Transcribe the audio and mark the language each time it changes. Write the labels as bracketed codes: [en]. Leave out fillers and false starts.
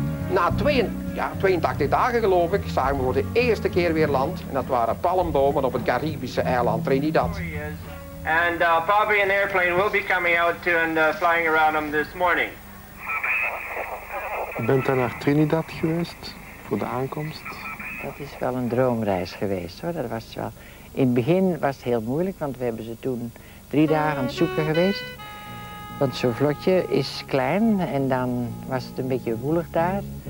[nl] Na 82 dagen, geloof ik, zagen we voor de eerste keer weer land. En dat waren palmbomen op het Caribische eiland Trinidad. [en] And probably an airplane will be coming out to and flying around them this morning. [nl] Je bent daar naar Trinidad geweest voor de aankomst? Dat is wel een droomreis geweest hoor. Dat was wel... In het begin was het heel moeilijk, want we hebben ze toen 3 dagen aan het zoeken geweest. Want zo'n vlotje is klein en dan was het een beetje woelig daar.